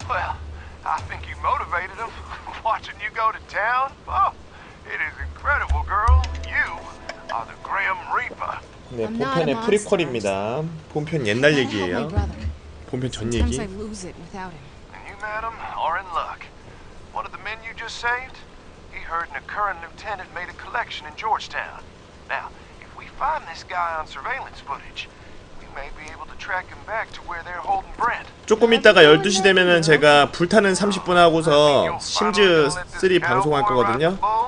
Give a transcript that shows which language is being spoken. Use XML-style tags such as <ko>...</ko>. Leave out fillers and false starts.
<en>Well, I think you motivated him. Watching you go to town? Oh, it is incredible, girl. You are the Grim Reaper.</en> <ko>네, 본편의 프리퀄입니다. 본편 옛날 얘기예요. 본편 전 얘기.</ko> <en>Sometimes I lose it without him. And you, madam, are in luck. One of the men you just saved? He heard an current lieutenant made a collection in Georgetown. Now, if we find this guy on surveillance footage, may be able to track him back to where they're holding Brent.</en> <ko>조금 있다가 12시 되면은 제가 불타는 30분 하고서 심즈 3 방송할 거거든요.</ko>